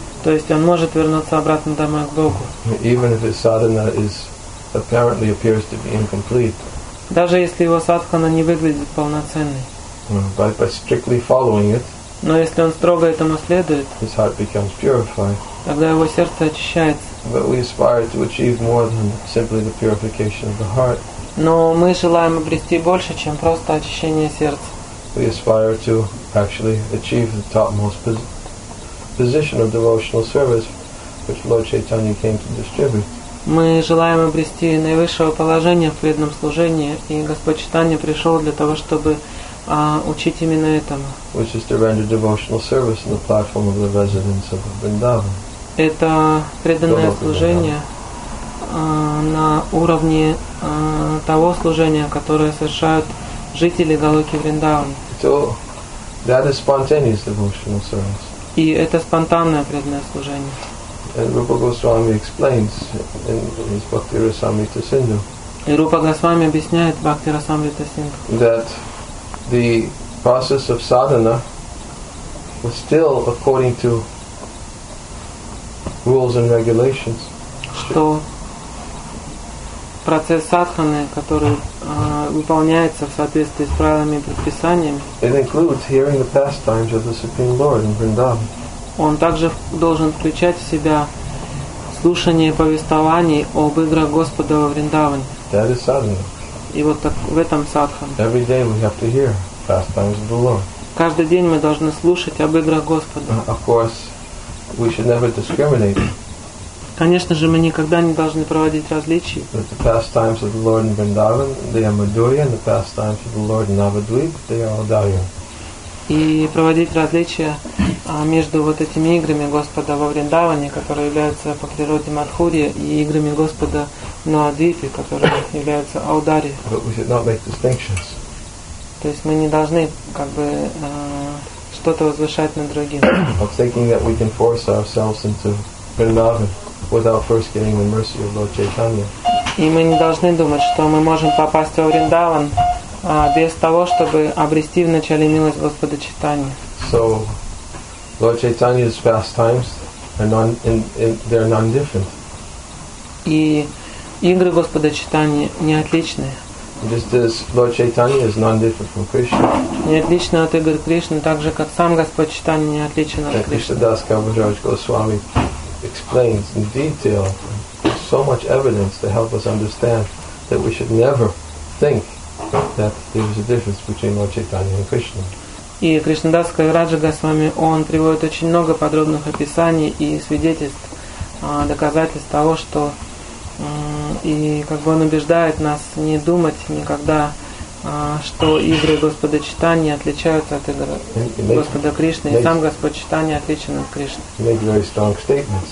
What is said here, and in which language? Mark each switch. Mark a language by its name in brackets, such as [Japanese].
[Russian] То есть он может вернуться обратно домой к Богу. [English] Even if his sadhana is apparently appears to be incomplete. [Russian] Даже если его садхана не выглядит полноценной. [English] By strictly following it. [Russian] Но если он строго этому следует, [English] his heart becomes purified. [Russian] Тогда его сердце очищается. [English] But we aspire to achieve more than simply the purification of the heart. [Russian] Но мы желаем обрести больше, чем просто очищение сердца. [English] We aspire to actually achieve the topmost position of devotional service, which Lord Chaitanya came to distribute. [Russian] Мы желаем обрести наивысшее положение в преданном служении, и Господь Чайтанья пришел для того, чтобы учить именно этому. [English] Which is to render devotional service on the platform of the residents of Vrindavan. [Russian] Это преданное служение на уровне того служения, которое совершают жители Галоки Вриндавана. [English] So that is spontaneous devotional service. [Russian] И это спонтанное преданное служение. [English] And Rupa Goswami explains in his Bhakti Rasamrita Sindhu. [Russian] И Рупа Госвами объясняет Бхакти Расамрита Синдху. [English] That the process of sadhana was still according to rules and regulations. [Russian] Что процесс садханы, который выполняется в соответствии с правилами и предписаниями, [English] it includes hearing the pastimes of the Supreme Lord in Vrindavan. [Russian] Он также должен включать в себя слушание повествований об играх Господа во Вриндаване. [English] That is sadhana. [Russian] И вот так в этом садхан. [English] Every day we have to hear pastimes of the Lord. [Russian] Каждый день мы должны слушать об играх Господа. [English] Of course, we should never discriminate. [Russian] Конечно же, мы никогда не должны проводить различий. [English] The pastimes of the Lord in Vrindavan, they are Madhurya, and the pastimes of the Lord in Navadvip, they are Audharya. [Russian] И проводить различия между вот этими играми Господа во Вриндаване, которые являются по природе Мадхурья, и играми Господа в Навадвипе, которые являются Аудари. [English] But we should not make distinctions. [Russian] То есть мы не должны как бы что-то возвышать над другим. [English] Of thinking that we can force ourselves into Vrindavan without first getting the mercy of Lord Chaitanya. [Russian] И мы не должны думать, что мы можем попасть во Вриндаван без того, чтобы обрести вначале милость Господа Чайтаньи. [English] So, Lord Chaitanya's pastimes are they're non-different. [Russian] И игры Господа Чайтаньи не отличны. [English] Just as Lord Chaitanya is non-different from Krishna. [Russian] Не отлично от игр Кришны, так же как сам Господь Чайтанья не отличен от Кришны. [English] Кришнадас Кавараджа Госвами explains in detail so much evidence to help us understand that we should never think that there is a difference between Lord Chaitanya and Krishna. [Russian] И Кришнадас Кавараджа Госвами, он приводит очень много подробных описаний и свидетельств, доказательств того, что и как бы он убеждает нас не думать никогда, что игры Господа Чайтаньи отличаются от игр Господа Кришны, и сам Господь Чайтанья отличен от Кришны.